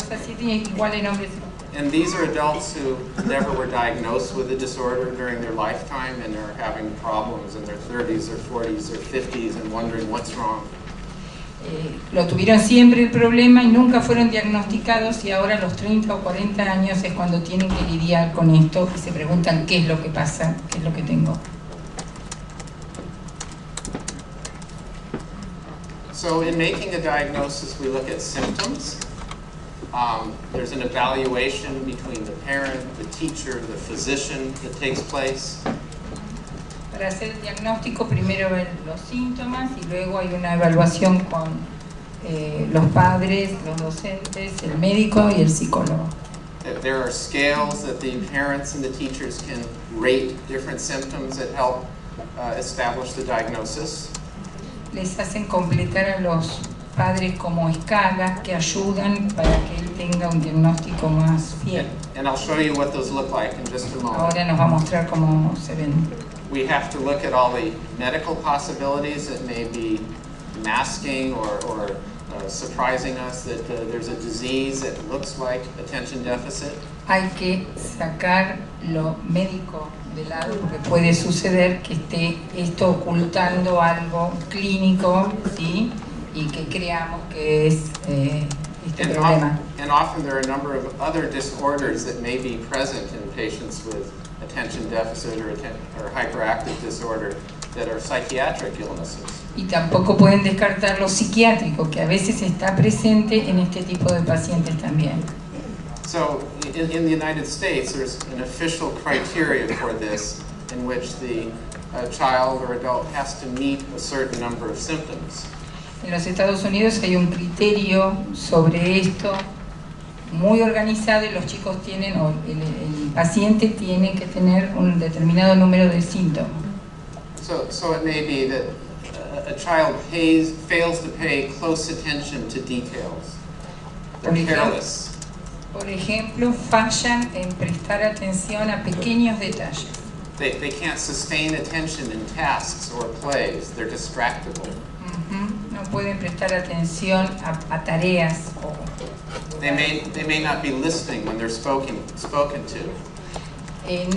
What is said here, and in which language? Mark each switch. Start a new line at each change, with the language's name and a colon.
English: And these are adults who never were diagnosed with a disorder during their lifetime and are having problems in their 30s or 40s or 50s and wondering what's wrong.
Spanish: Lo tuvieron siempre el problema y nunca fueron diagnosticados y ahora a los 30 o 40 años es cuando tienen que lidiar con esto y se preguntan qué es lo que pasa, qué es lo que tengo.
English: So in making a diagnosis, we look at symptoms. There's an evaluation between the parent, the teacher, the physician that takes place.
Spanish: Para hacer el diagnóstico, primero ver los síntomas y luego hay una evaluación con los padres, los docentes, el médico y el psicólogo.
English: There are scales that the parents and the teachers can rate different symptoms that help establish the diagnosis.
Spanish: Les hacen completar a los padres como escalas que ayudan para que él tenga un diagnóstico más fiel.
English: And I'll show you what those look like in just a moment.
Spanish: Ahora nos va a mostrar cómo se ven.
English: We have to look at all the medical possibilities that may be masking or surprising us that there's a disease that looks like attention deficit.
Spanish: Hay que sacar lo médico de lado porque puede suceder que esté esto ocultando algo clínico, ¿sí? Y que creamos que es este
English: and
Spanish: problema.
English: And often there are a number of other disorders that may be present in patients with attention deficit or hyperactive disorder that are psychiatric illnesses.
Spanish: Y tampoco pueden descartar lo psiquiátrico que a veces está presente en este tipo de pacientes también.
English: So, in the United States, there's an official criteria for this in which the child or adult has to meet a certain number of symptoms.
Spanish: En los Estados Unidos hay un criterio sobre esto muy organizado y los chicos tienen, o el paciente tiene que tener un determinado número de síntomas.
English: So it may be that a child fails to pay close attention to details. They're careless.
Spanish: Por ejemplo, fallan en prestar atención a pequeños detalles.
English: They can't sustain attention in tasks or plays. They're distractible.
Spanish: Mm-hmm. No pueden prestar atención a tareas.
English: They may not be listening when they're spoken to.